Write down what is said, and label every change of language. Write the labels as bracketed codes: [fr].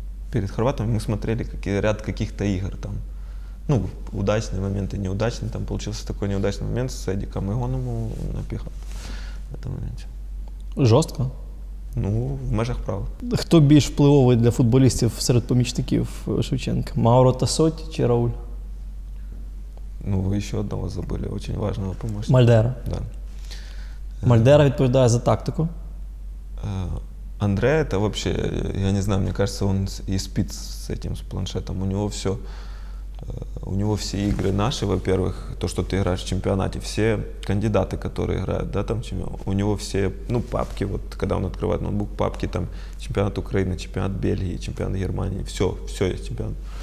[ru] Перед хорватами ми смотрели ряд каких-то ігор там. Ну, удачний момент і неудачний, там получился такой неудачный момент с Эдиком, и он ему напихал в этом моменте. [uk] Жорстко? Ну, в межах права. Хто більш впливовий для футболістів серед помічників Шевченка? Мауро Тасотті чи Рауль? Ну, ви ще одного забули, [ru] очень важного [uk] помічника. Мальдера. Да. Мальдера відповідає за тактику. [ru] Андреа, это вообще, я не знаю, мне кажется, он и спит с этим, с планшетом. У него все, все игры наши, во-первых, то, что ты играешь в чемпионате, все кандидаты, которые играют, да, там, у него все, ну, папки, вот, когда он открывает ноутбук, папки, там, чемпионат Украины, чемпионат Бельгии, чемпионат Германии, все, все есть чемпионат.